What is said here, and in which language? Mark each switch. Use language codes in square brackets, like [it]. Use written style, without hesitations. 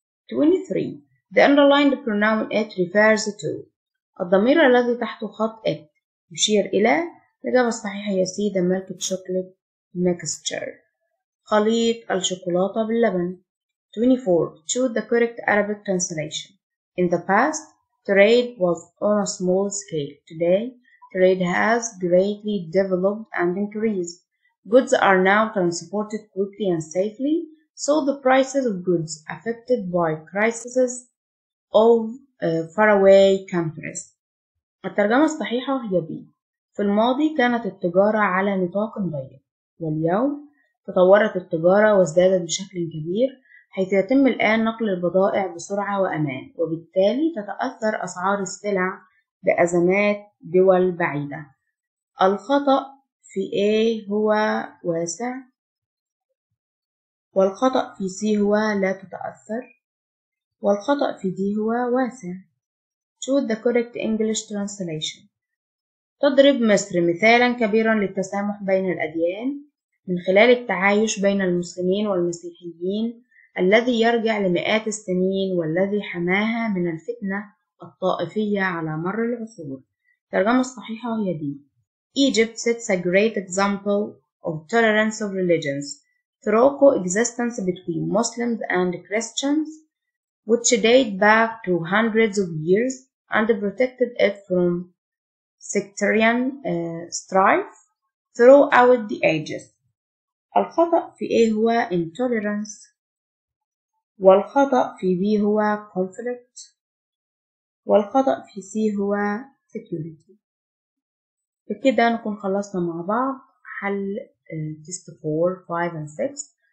[en] 23. The underlined pronoun it refers to، [ar] الضمير الذي تحت خط it يشير إلى، الإجابة الصحيحة هي C. [en] The milk chocolate mixture، [ar] خليط الشوكولاتة باللبن. [en] 24. Choose the correct Arabic translation. In the past, trade was on a small scale. Today, trade has greatly developed and increased. Goods are now transported quickly and safely, so the prices of goods affected by crises of faraway countries. [ar] الترجمة الصحيحة هي B. في الماضي كانت التجارة على نطاق ضيق، واليوم تطورت التجارة وازدادت بشكل كبير، حيث يتم الآن نقل البضائع بسرعة وأمان، وبالتالي تتأثر أسعار السلع بأزمات دول بعيدة. الخطأ في A هو واسع، والخطأ في C هو لا تتأثر، والخطأ في D هو واسع. [en] Choose the correct English translation. [ar] تضرب مصر مثالا كبيرا للتسامح بين الأديان من خلال التعايش بين المسلمين والمسيحيين الذي يرجع لمئات السنين، والذي حماها من الفتنة الطائفية على مر العصور. الترجمة الصحيحة هي دي. [en] Egypt sets a great example of tolerance of religions through coexistence between Muslims and Christians, which date back to hundreds of years and protected it from sectarian strife throughout the ages. [ar] الخطأ في A هو intolerance، والخطأ في B هو conflict، والخطأ في C هو security. بكده نكون خلصنا مع بعض حل test 4, 5 and 6.